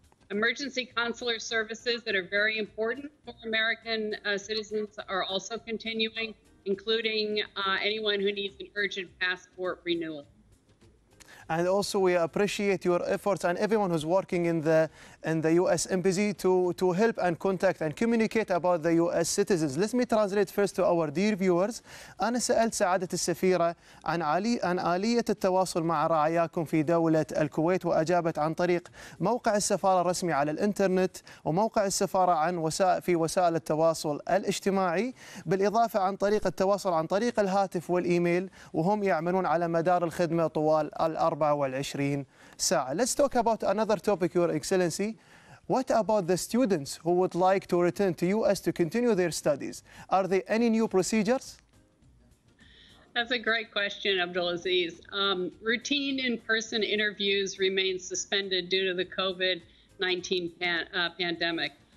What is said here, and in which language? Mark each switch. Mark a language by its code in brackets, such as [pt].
[en] Emergency consular services that are very important for American citizens are also continuing, including anyone who needs an urgent passport renewal. And also, we appreciate your efforts and everyone who's working in the U.S. Embassy to help and contact and communicate about the U.S. citizens. Let me translate first to our dear viewers. [ar] أنا سألت سعادة السفيرة عن آلية التواصل مع رعاياكم في دولة الكويت وأجابت عن طريق موقع السفارة الرسمي على الإنترنت وموقع السفارة في وسائل التواصل الاجتماعي بالإضافة عن طريق التواصل عن طريق الهاتف والإيميل وهم يعملون على مدار الخدمة طوال الـ24 ساعة. [en] Let's talk about another topic, Your Excellency. What about the students who would like to return to U.S. to continue their studies? Are there any new procedures? That's a great question, Abdulaziz. Routine in-person interviews remain suspended due to the COVID-19 pandemic.